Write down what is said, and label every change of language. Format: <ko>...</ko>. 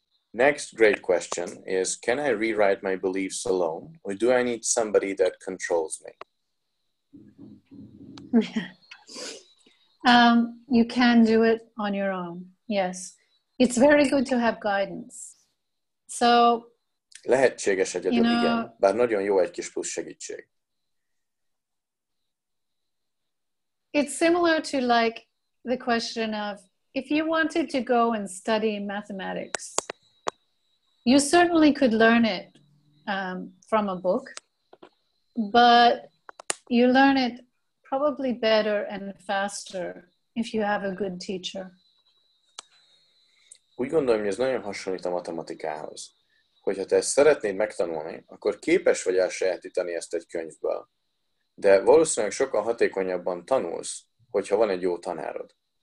<en>Next great question is, can I rewrite my beliefs alone, or do I need somebody that controls me? You can do it on your own, yes. It's very good to have guidance. So,</en> <hu>lehetséges egyedül,</hu> <en>you know,</en> <hu>igen, bár nagyon jó egy kis plusz segítség.</hu> <en>It's similar to like the question of, if you wanted to go and study mathematics, you certainly could learn it from a book, but you learn it probably better and faster if you have a good teacher.</en> <hu>Úgy gondolom, hogy ez nagyon hasonlít a matematikához. Hogyha te ezt szeretnéd megtanulni, akkor képes vagy elsajátítani ezt egy könyvből. De valószínűleg sokkal hatékonyabban tanulsz, hogyha van egy jó tanárod.</hu>